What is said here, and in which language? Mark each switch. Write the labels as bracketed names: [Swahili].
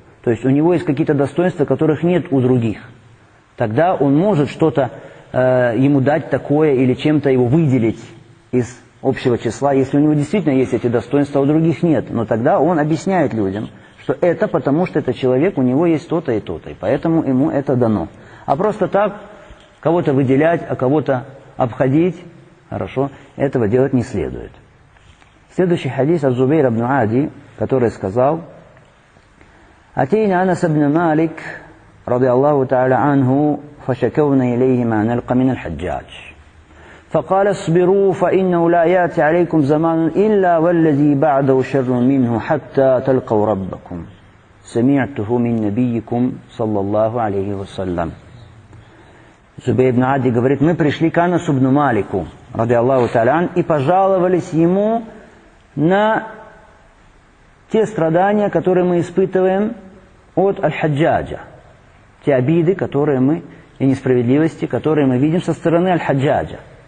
[Russian] То есть у него есть какие-то достоинства, которых нет у других. Тогда он может что-то ему дать такое или чем-то его выделить из общего числа, если у него действительно есть эти достоинства, а у других нет. Но тогда он объясняет людям, что это потому, что этот человек, у него есть то-то и то-то, и поэтому ему это дано. А просто так кого-то выделять, а кого-то обходить, хорошо, этого делать не следует. Следующий хадис от Зубейра ибн Ади, который сказал: [Arabic] «Атейна Анас ибн Малик, ради Аллаху та'аля анху, فشكونا إليه ما نلقى من الحجاج فقال اصبروا فإنه لا يأتي عليكم زمان إلا والذي بعده شر منه حتى تلقوا ربكم سمعته من نبيكم صلى الله عليه وسلم». [Russian] Зубейр ибн Ади говорит: мы пришли к Анасу ибн Малику ради Аллаху Та'аля и пожаловались ему на те страдания, которые мы испытываем от Аль-Хаджаджа, те обиды, которые мы и несправедливости, которые мы видим со стороны Аль-Хаджаджа.